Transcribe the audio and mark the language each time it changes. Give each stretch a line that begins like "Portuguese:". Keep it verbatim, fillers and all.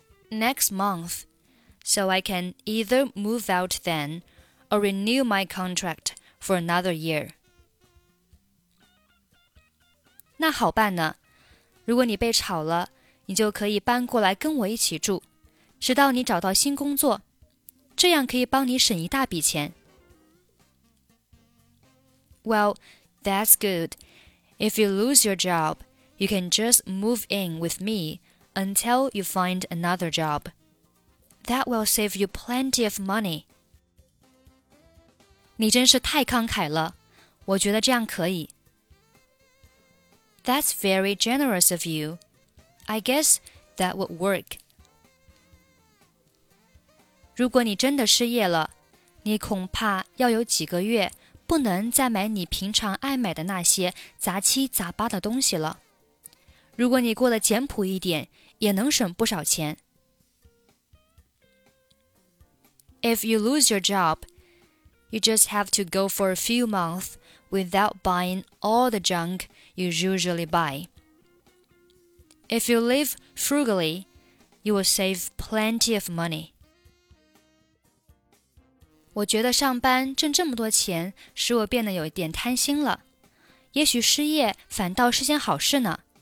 English: Next month, so I can either move out then or renew my contract for another year.
Chinese: 那好办呢，如果你被炒了，你就可以搬过来跟我一起住，直到你找到新工作，这样可以帮你省一大笔钱。
English: Well, that's good. If you lose your job, you can just move in with me until you find another job. That will save you plenty of money.
Chinese: 你真是太慷慨了，我觉得这样可以。
English: That's very generous of you. I guess that would work.
Chinese: 如果你真的失业了，你恐怕要有几个月不能再买你平常爱买的那些杂七杂八的东西了。如果你过得简朴一点，也能省不少钱。
English: If you lose your job, you just have to go for a few months without buying all the junk you usually buy. If you live frugally, you will save plenty of money.
Chinese: 我觉得上班挣这么多钱使我变得有一点贪心了，也许失业反倒是件好事呢。